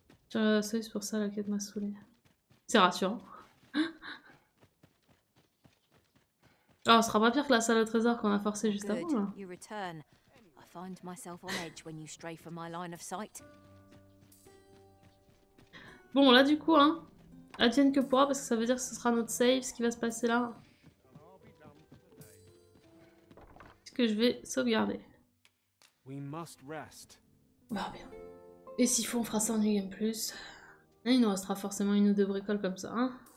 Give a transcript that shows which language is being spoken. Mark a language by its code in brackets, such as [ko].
[fr] J'ai regardé la soleil, c'est pour ça la quête m'a saoulé. C'est rassurant. Oh, ce sera pas pire que la salle au trésor qu'on a forcé juste avant, là. [en] You return. I find myself on edge when you stray from my line of sight. [fr] Bon, là du coup, hein. Advienne que pourra, parce que ça veut dire que ce sera notre save, ce qui va se passer là. Que je vais sauvegarder. [en] We must rest. [fr] Bah bien. Et s'il faut, on fera ça en New Game Plus. Et il nous restera forcément une ou deux bricoles comme ça. Hein.